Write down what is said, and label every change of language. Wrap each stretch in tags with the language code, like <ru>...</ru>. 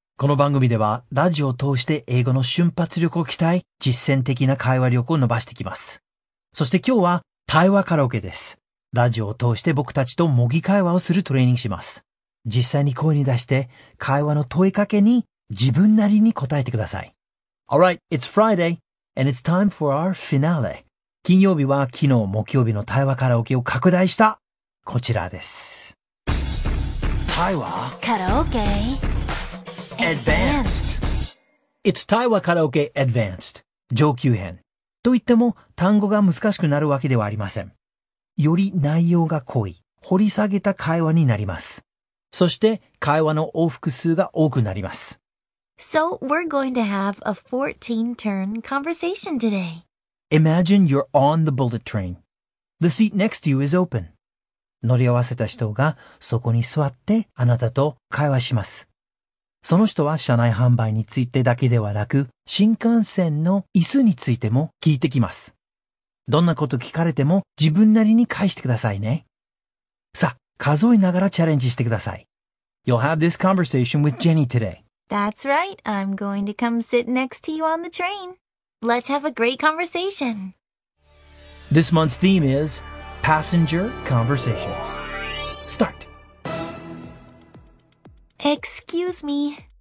<ja>この番組ではラジオを通して英語の瞬発力を鍛え、実践的な会話力を伸ばしてきます。そして今日は対話カラオケです。ラジオを通して僕たちと模擬会話をするトレーニングします。実際に声に出して会話の問いかけに自分なりに答えてください。</ja> <en>Alright, it's Friday and it's time for our finale.</en> <ja>金曜日は昨日木曜日の対話カラオケを拡大したこちらです。対話カラオケ</ja> <en>Advanced. It's</en> <ja>対話カラオケ Advanced 上級編と言っても単語が難しくなるわけではありません。より内容が濃い掘り下げた会話になります。そして会話の往復数が多くなります。</ja> <en>So we're going to have a 14 turn conversation today. Imagine you're on the bullet train. The seat next to you is open.</en> <ja>乗り合わせた人がそこに座ってあなたと会話します。その人は車内販売についてだけではなく、新幹線の椅子についても聞いてきます。どんなこと聞かれても自分なりに返してくださいね。さあ、数えながらチャレンジしてください。</ja> <en>You'll have this conversation with Jenny today. That's right. I'm going to come sit next to you on the train. Let's have a great conversation. This month's theme is Passenger Conversations. Start! Excuse me.</en>